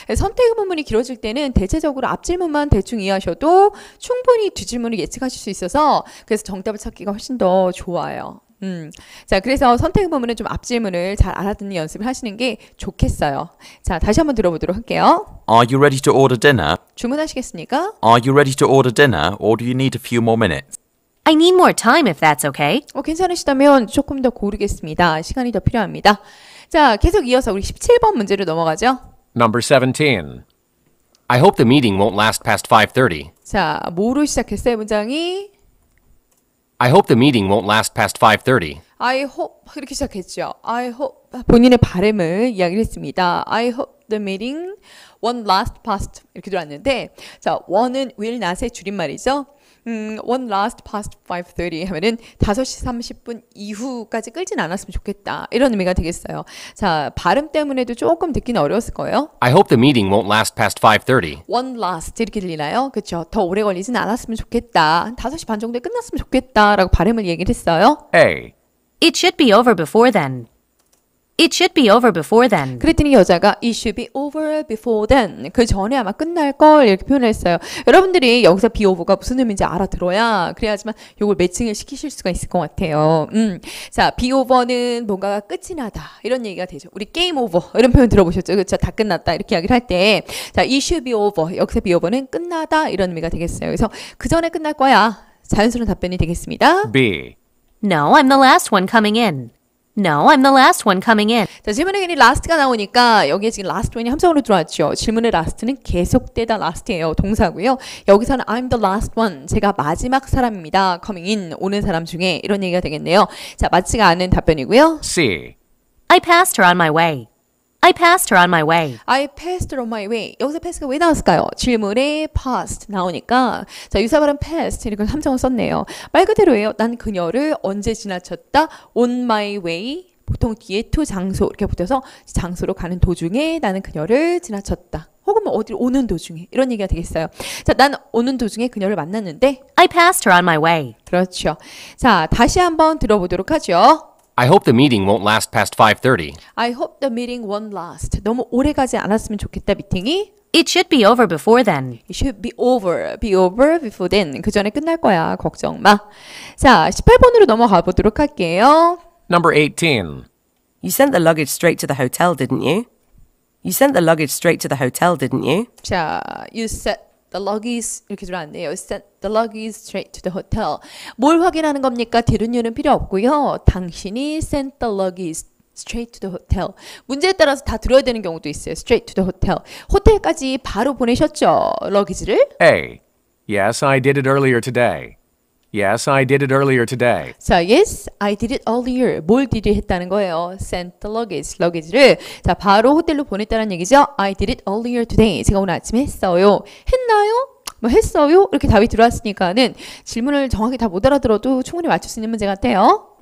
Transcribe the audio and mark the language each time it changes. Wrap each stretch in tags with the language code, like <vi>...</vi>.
<ko>선택 음문문이 길어질 때는 대체적으로 앞질문만 대충 이해하셔도 충분히 뒷질문을 예측하실 수 있어서 그래서 정답을 찾기가 훨씬 더 좋아요. 자, 그래서 선택 음문문은 좀 앞질문을 잘 알아듣는 연습을 하시는 게 좋겠어요. 자, 다시 한번 들어보도록 할게요.</ko> <en>Are you ready to order dinner?</en> <ko>주문하시겠습니까?</ko> <en>Are you ready to order dinner or do you need a few more minutes? I need more time if that's okay.</en> <ko>괜찮으시다면 조금 더 고르겠습니다. 시간이 더 필요합니다. 자, 계속 이어서 우리 17번 문제로 넘어가죠.</ko> <en>Number 17. I hope the meeting won't last past 5:30.</en> <ko>자, 뭐로 시작했어요, 문장이?</ko> <en>I hope the meeting won't last past 5:30. I hope</en> <ko>이렇게 시작했죠. I hope 본인의 바람을 이야기를 했습니다.</ko> <en>I hope the meeting won't last past</en> <ko>이렇게 들어왔는데 자,</ko> <en>won은 will not의</en> <ko>줄임말이죠.</ko> <en>won't last past</en> <ko>5:30 하면은 5시 30분 이후까지 끌진 않았으면 좋겠다. 이런 의미가 되겠어요. 자, 발음 때문에도 조금 듣기는 어려웠을 거예요.</ko> <en>I hope the meeting won't last past 5:30. won't last</en> <ko>이렇게 들리나요? 그렇죠. 더 오래 걸리진 않았으면 좋겠다. 5시 반 정도에 끝났으면 좋겠다라고 발음을 얘기를 했어요.</ko> <en>A. It should be over before then. It should be over before then.</en> <ko>그랬더니 여자가</ko> <en>It should be over before then.</en> <ko>그 전에 아마 끝날걸 이렇게 표현을 했어요. 여러분들이 여기서</ko> <en>be over</en> <ko>가 무슨 의미인지 알아들어야 그래야지만 이걸 매칭을 시키실 수가 있을 것 같아요. 자,</ko> <en>be over</en> <ko>는 뭔가가 끝이 나다. 이런 얘기가 되죠. 우리</ko> <en>game over</en> <ko>이런 표현 들어보셨죠? 그렇죠? 다 끝났다 이렇게 이야기를 할 때 자,</ko> <en>It should be over.</en> <ko>여기서 be over는 끝나다 이런 의미가 되겠어요. 그래서 그 전에 끝날 거야. 자연스러운 답변이 되겠습니다.</ko> <en>B. No, I'm the last one coming in. No, I'm the last one coming in.</en> <ko>자, 질문에 괜히 last가 나오니까 여기에 지금 last one이 함수형으로 들어왔죠. 질문의 last는 계속되다 last예요. 동사고요.</ko> <en>여기서는 I'm the last one.</en> <ko>제가 마지막 사람입니다.</ko> <en>Coming in,</en> <ko>오는 사람 중에 이런 얘기가 되겠네요. 자, 맞지가 않은 답변이고요.</ko> <en>C. I passed her on my way. I passed her on my way. I passed her on my way.</en> <ko>여기서 passed가 왜 나왔을까요? 질문에 passed 나오니까 자 유사 발음 passed 이렇게 함정을 썼네요. 말 그대로예요. 난 그녀를 언제 지나쳤다?</ko> <en>On my way.</en> <ko>보통 뒤에 to 장소 이렇게 붙여서 장소로 가는 도중에 나는 그녀를 지나쳤다. 혹은 뭐 어디로 오는 도중에 이런 얘기가 되겠어요. 자, 난 오는 도중에 그녀를 만났는데</ko> <en>I passed her on my way.</en> <ko>그렇죠. 자, 다시 한번 들어보도록 하죠.</ko> <en>I hope the meeting won't last past 5:30. I hope the meeting won't last.</en> <ko>너무 오래 가지 않았으면 좋겠다, 미팅이.</ko> <en>It should be over before then. It should be over. Be over before then.</en> <ko>그 전에 끝날 거야. 걱정 마. 자, 18번으로 넘어가 보도록 할게요.</ko> <en>Number 18. You sent the luggage straight to the hotel, didn't you? You sent the luggage straight to the hotel, didn't you? 자, you sent the luggage</en> <ko>이렇게 들어왔네요.</ko> <en>Sent the luggage straight to the hotel.</en> <ko>뭘 확인하는 겁니까? 들은 이유는 필요 없고요. 당신이</ko> <en>sent the luggage straight to the hotel.</en> <ko>문제에 따라서 다 들어야 되는 경우도 있어요.</ko> <en>Straight to the hotel.</en> <ko>호텔까지 바로 보내셨죠? 러기지를?</ko> <en>A. Yes, I did it earlier today. Yes, I did it earlier today. So, yes, I did it earlier.</en> <ko>뭘</ko> <en>did it</en> <ko>했다는 거예요?</ko> <en>Sent the luggage, luggage를.</en> <ko>자, 바로 호텔로 보냈다는 얘기죠.</ko> <en>I did it earlier today.</en> <ko>제가 오늘 아침에 했어요. 했나요? 뭐 했어요? 이렇게 답이 들어왔으니까는 질문을 정확히 다 못 알아들어도 충분히 맞출 수 있는 문제 같아요.</ko>